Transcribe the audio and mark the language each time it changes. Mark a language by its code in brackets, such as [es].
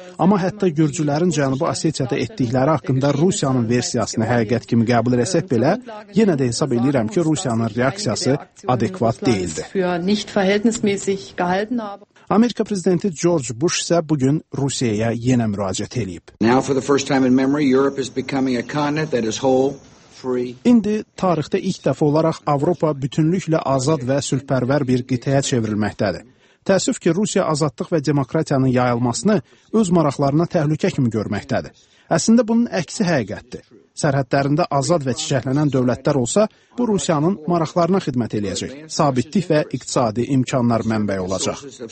[az] Amma hətta gürcülərin Cənubi Asetiyada etdikləri haqqında Rusiyanın versiyasını həqiqət kimi qəbul etsək belə, yenə də hesab edirəm ki, Rusiyanın reaksiyası adekvat deyildi. Amerika prezidenti George Bush isə bugün Rusiyaya yenə müraciət eləyib. [en] Now for the first time in memory, Europe is becoming a continent that is whole. [az] İndi tarixdə ilk dəfə olaraq Avropa bütünlüklə azad və sülhpərvər bir qitəyə çevrilməkdədir. Təəssüf ki, Rusiya azadlıq və demokratiyanın yayılmasını öz maraqlarına təhlükə kimi görməkdədir. Əslində bunun əksi həqiqətdir. Sərhədlərində azad və çiçəklənən dövlətlər olsa, bu Rusiyanın maraqlarına xidmət eləyəcək, sabitlik və iqtisadi imkanlar mənbəyi olacaq.